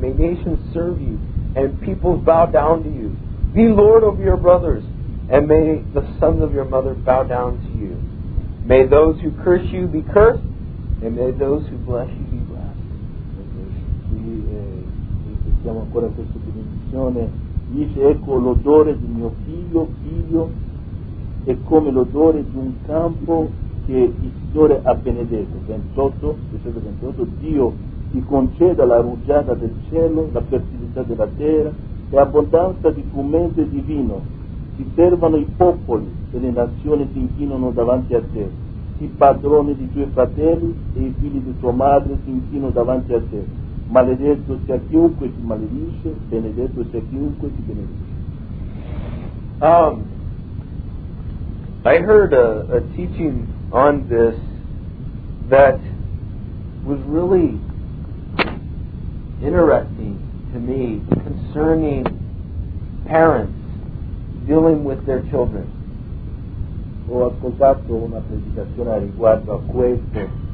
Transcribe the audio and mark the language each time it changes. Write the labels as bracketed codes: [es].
[en] May nations serve you and peoples bow down to you. Be Lord over your brothers, and may the sons of your mother bow down to you. May those who curse you be cursed, and may those who bless you be blessed. [it] Siamo ancora questa benedizione. Dice, ecco l'odore di mio figlio, figlio, è come l'odore di un campo che il Signore ha benedetto. 28, versetto 28, Dio ti conceda la rugiada del cielo, la fertilità della terra e abbondanza di frumento e di vino. Ti servano i popoli e le nazioni si inchinano davanti a te. I padroni di tuoi fratelli e i figli di tua madre si inchinano davanti a te. Maledetto sia chiunque ti maledisce, benedetto sia chiunque ti benedice. [en] Verse 29. I heard a teaching on this that was really interesting to me concerning parents dealing with their children. [it] Ho ascoltato una predicazione a riguardo a questo.